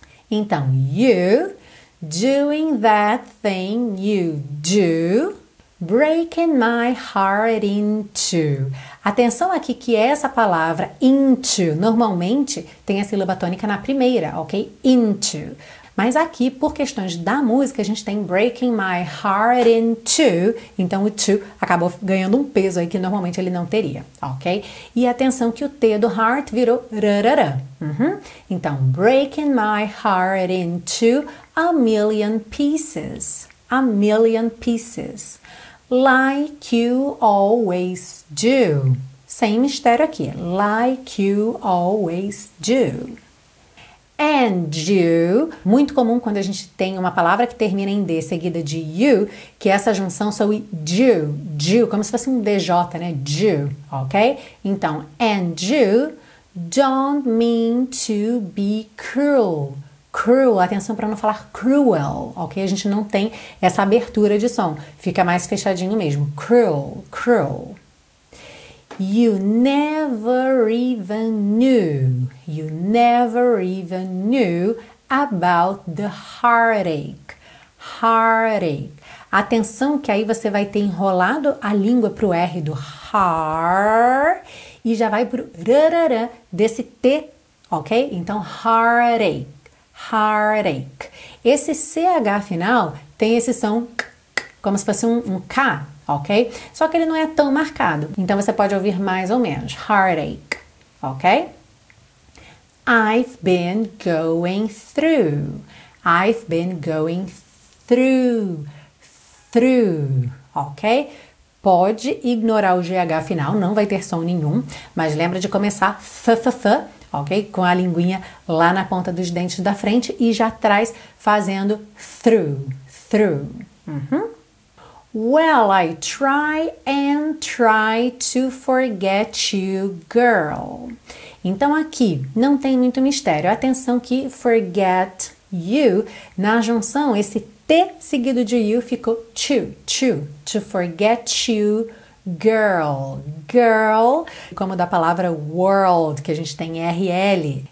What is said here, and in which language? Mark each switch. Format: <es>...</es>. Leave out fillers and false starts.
<en>Então, you doing that thing you do. Breaking my heart into.</en> <pt>Atenção aqui que essa palavra into normalmente tem a sílaba tônica na primeira, ok? Into. Mas aqui, por questões da música, a gente tem</pt> <en>breaking my heart into.</en> <pt>Então, o to acabou ganhando um peso aí que normalmente ele não teria, ok? E atenção que o T do heart virou rarara.</pt> <en>Então, breaking my heart into a million pieces. A million pieces. Like you always do.</en> <pt>Sem mistério aqui.</pt> <en>Like you always do. And you.</en> <pt>Muito comum quando a gente tem uma palavra que termina em D seguida de you, que essa junção soe do, como se fosse um DJ, né? Do, ok?</pt> <en>Então, and you don't mean to be cruel.</en> <pt>Cruel, atenção para não falar cruel, ok? A gente não tem essa abertura de som, fica mais fechadinho mesmo.</pt> <en>Cruel, cruel. You never even knew, you never even knew about the heartache. Heartache.</en> <pt>Atenção que aí você vai ter enrolado a língua para o R do har e já vai para o rarara desse T, ok? Então,</pt> <en>heartache. Heartache.</en> <pt>Esse CH final tem esse som como se fosse um K, ok? Só que ele não é tão marcado. Então você pode ouvir mais ou menos.</pt> <en>Heartache, ok? I've been going through. I've been going through. Through, ok?</en> <pt>Pode ignorar o GH final, não vai ter som nenhum. Mas lembra de começar f-f-f. Ok? Com a linguinha lá na ponta dos dentes da frente e já atrás fazendo through, through.</pt> <en>Well, I try and try to forget you, girl.</en> <pt>Então aqui não tem muito mistério. Atenção que</pt> <en>forget you,</en> <pt>na junção, esse T seguido de you ficou to forget you. Girl, girl, como da palavra world, que a gente tem RL.</pt>